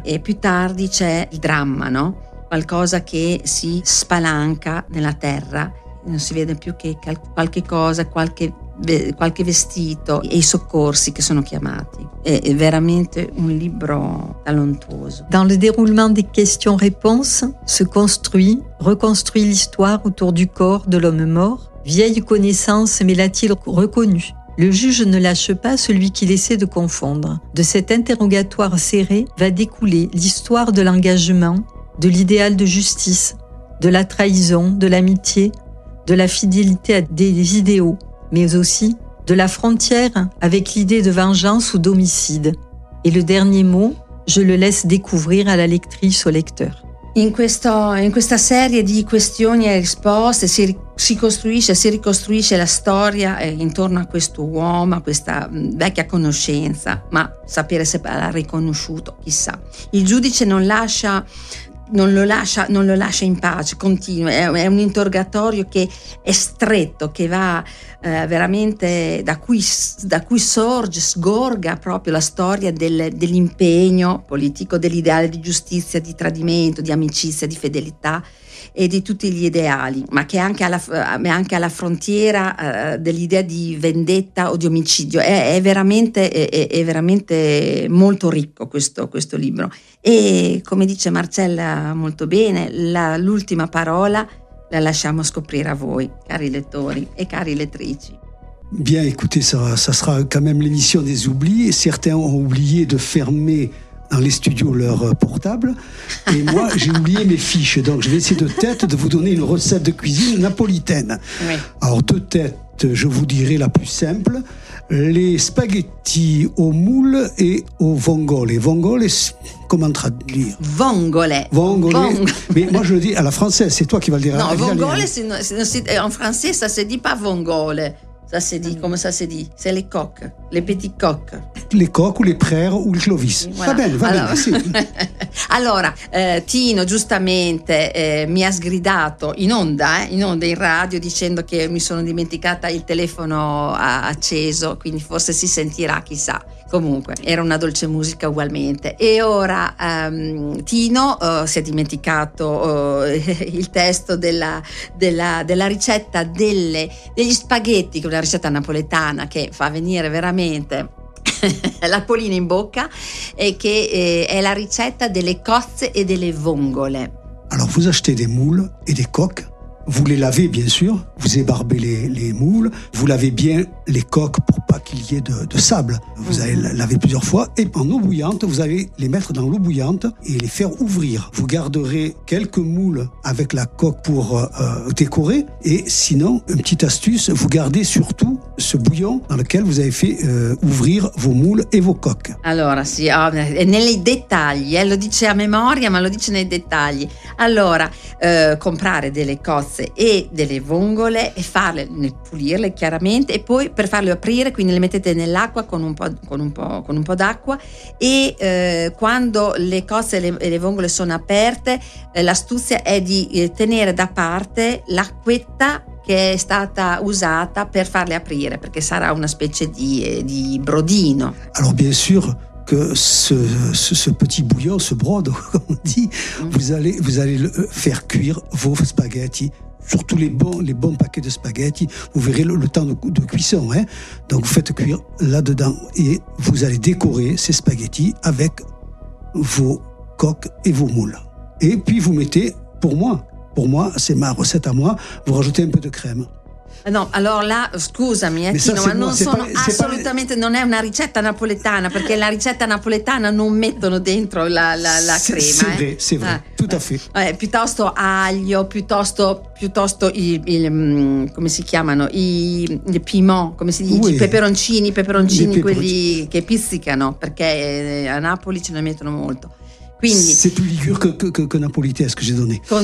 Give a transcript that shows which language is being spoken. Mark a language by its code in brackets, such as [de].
[it] E più tardi c'è il dramma, no? Qualcosa che si spalanca nella terra, non si vede più che qualche cosa, qualche vestito e i soccorsi che sono chiamati. È veramente un libro talentuoso. [fr] Dans le déroulement des questions-réponses se construit, reconstruit l'histoire autour du corps de l'homme mort. Vieille connaissance, mais l'a-t-il reconnu? Le juge ne lâche pas celui qu'il essaie de confondre. De cet interrogatoire serré va découler l'histoire de l'engagement, de l'idéal de justice, de la trahison, de l'amitié, de la fidélité à des idéaux, mais aussi de la frontière avec l'idée de vengeance ou d'homicide. Et le dernier mot, je le laisse découvrir à la lectrice ou au lecteur. [it] In questa serie di questioni e risposte si ricostruisce la storia intorno a questo uomo, a questa vecchia conoscenza, ma sapere se l'ha riconosciuto, chissà. Il giudice non lo lascia in pace, continua, è un interrogatorio che è stretto, che va veramente da cui sorge, sgorga proprio la storia dell'impegno politico, dell'ideale di giustizia, di tradimento, di amicizia, di fedeltà e di tutti gli ideali, ma che è anche alla frontiera dell'idea di vendetta o di omicidio. È veramente molto ricco questo libro. E come dice Marcella molto bene, l'ultima parola la lasciamo scoprire a voi, cari lettori e cari lettrici. [fr] Bien, écoutez, ça sera quand même l'émission des oublis. Certains ont oublié de fermer dans les studios leur portable. Et moi, j'ai oublié mes fiches. Donc, je vais essayer de tête de vous donner une recette de cuisine napolitaine. Oui. Alors, de tête, je vous dirai la plus simple. Les spaghettis au moule et au vongole. Vongole, comment traduire ? Vongole. Mais moi, je le dis à la française. C'est toi qui vas le dire. Non, vongole, en français, ça ne se dit pas vongole. Ça se dit, comment ça se dit? C'est les coques, les petits coques. Les coques ou les prères ou les clovis. Voilà. [it] Va bene, sì. Allora, Tino giustamente mi ha sgridato in onda in radio dicendo che mi sono dimenticata il telefono acceso, quindi forse si sentirà, chissà. Comunque, era una dolce musica ugualmente. E ora Tino si è dimenticato il testo della ricetta degli spaghetti, che è una ricetta napoletana che fa venire veramente la polina in bocca, e che è la ricetta delle cozze e delle vongole. [fr] Alors, vous achetez des moules et des coques, vous les lavez bien sûr, vous ébarbez les moules, vous lavez bien les coques pour pas qu'il y ait de sable. Vous allez laver plusieurs fois et en eau bouillante, vous allez les mettre dans l'eau bouillante et les faire ouvrir. Vous garderez quelques moules avec la coque pour décorer et sinon, une petite astuce, vous gardez surtout ce bouillon dans lequel vous avez fait ouvrir vos moules et vos coques. [it] Alors, si, nei dettagli, lo dice a memoria, ma lo dice nei dettagli. Allora, comprare delle cozze e delle vongole e farle, pulirle chiaramente e poi per farle aprire, quindi le mettete nell'acqua con un po' d'acqua e quando le cozze e le vongole sono aperte, l'astuzia è di tenere da parte l'acquetta che è stata usata per farle aprire, perché sarà una specie di brodino. [fr] Allora, bien sûr que ce petit bouillon, ce brodo, comme on dit, vous allez le faire cuire vos spaghettis, surtout les bons paquets de spaghettis. Vous verrez le temps de cuisson. Hein. Donc vous faites cuire là-dedans et vous allez décorer ces spaghettis avec vos coques et vos moules. Et puis vous mettez, pour moi, c'est ma recette à moi, vous rajoutez un peu de crème. [it] No, allora là, scusami, Tino, ma non sono assolutamente, non è una ricetta napoletana, perché la ricetta napoletana non mettono dentro la crema. [fr] C'est vrai, c'est vrai. Tout à fait. [it] Piuttosto aglio, piuttosto il come si chiamano? I piment, come si dice? Oui. I peperoncini, quelli che pizzicano, perché a Napoli ce ne mettono molto. Quindi, [fr] c'est plus ligure que napolitaise que j'ai donné.